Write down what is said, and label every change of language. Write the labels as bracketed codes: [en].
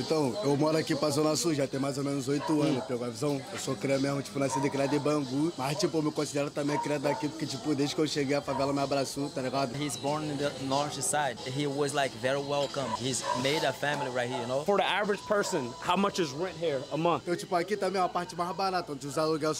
[pt] Então, eu moro aqui pra Zona Sul já tem mais ou menos 8 anos. Pegou a visão? Eu sou criado mesmo, tipo, nascido e criado em Bangu. Mas, tipo, eu me considero também criado aqui, porque, tipo, desde que eu cheguei, a favela me abraçou, tá ligado? [en] He's born in the north side. He was, like, very welcome. He's made a family right here, you know? For the average person, how much is rent here a month? [pt] Então, tipo, aqui também é a parte mais barata, onde os alunos.